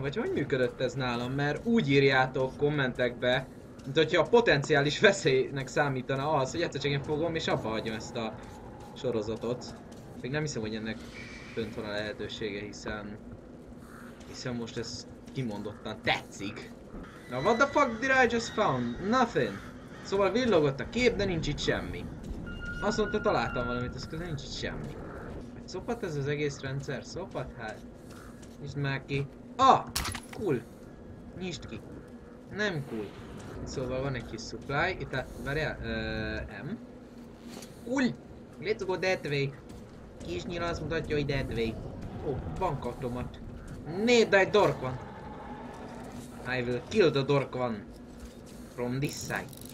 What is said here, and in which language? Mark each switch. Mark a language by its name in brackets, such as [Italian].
[Hungarian] Vagy hogy működött ez nálam? Mert úgy írjátok kommentekbe, mint hogyha a potenciális veszélynek számítana az, hogy egyszer csak én fogom és abba hagyom ezt a sorozatot. Még nem hiszem, hogy ennek fönt van a lehetősége, hiszen most ez kimondottan tetszik. [English] Now what the fuck did I just found? Nothing. [Hungarian] Szóval villogott a kép, de nincs itt semmi. Azt mondta, találtam valamit, ez közben nincs itt semmi. Szopat ez az egész rendszer? Szopat hát? Nyisd már ki. Ah! Cool. Nyisd ki. Nem cool. Szóval van egy kis supply. Itt a... Várjál. [English] M. Cool. Let's go that way. [Hungarian] Kis nyíl azt mutatja, hogy [English] that way. [Hungarian] Ó, bankautomat. Nézd, egy dork van. [English] I will kill the dork one from this side.